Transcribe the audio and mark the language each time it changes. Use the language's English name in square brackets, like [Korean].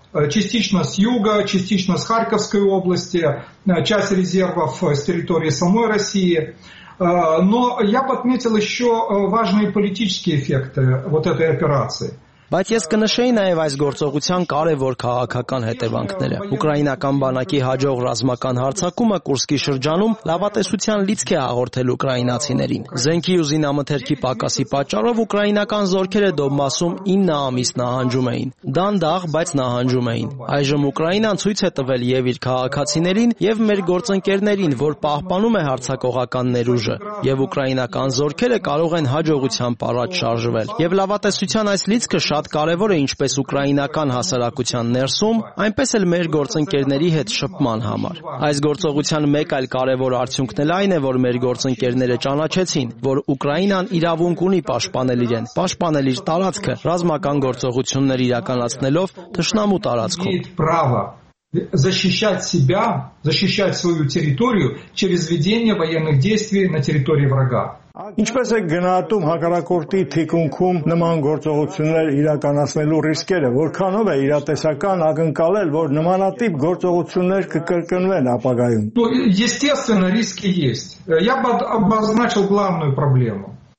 [Russian] Частично с юга, частично с Харьковской области, часть резервов с территории самой России. Но я бы отметил еще важные политические эффекты вот этой операции. [Armenian] Բայց ես կնշեի նաև այս գործողության կարևոր քաղաքական հետևանքները։ Ուկրաինական բանակի հաջող ռազմական հարձակումը Կուրսկի շրջանում լավատեսության լիցք է հաղորդել ուկրաինացիներին։ Զենքի ու զինամթերքի պակասի պատճառով ուկրաինական զորքերը Դոնբասում 9 ամիս նահանջում էին։ Դանդաղ, բայց նահանջում էին։ Այժմ Ուկրաինան ցույց է տվել եւ իր քաղաքացիներին, եւ մեր գործընկերներին, որ պահպանում է հարձակողական ներուժը, եւ ուկրաինական զորքերը կարող են հաջողությամբ առաջ շարժվել։ Եվ լավատեսության այս լիցքը շատ կարևոր է ինչպես ուկրաինական հասարակության ներսում, այնպես էլ մեր գործընկերների հետ շփման համար։ Այս գործողության մեկ այլ կարևոր արդյունքն էլ այն է, որ մեր գործընկերները ճանաչեցին, որ Ուկրաինան իրավունք ունի պաշտպանել իրեն, պաշտպանել իր տարածքը ռազմական գործողություններ իրականացնելով թշնամու տարածքում։ [Russian] Защищать себя, защищать свою территорию через ведение военных действий на территории врага. [Armenian] Ինչպես է գնահատում հակառակորդի թիկունքում նման գործողություններ իրականացնելու ռիսկերը, որքանով է իրատեսական ակնկալել, որ նմանատիպ գործողություններ կկրկնվեն ապագայում։ [Russian] Естественно, риски есть. Я бы обозначил главную проблему.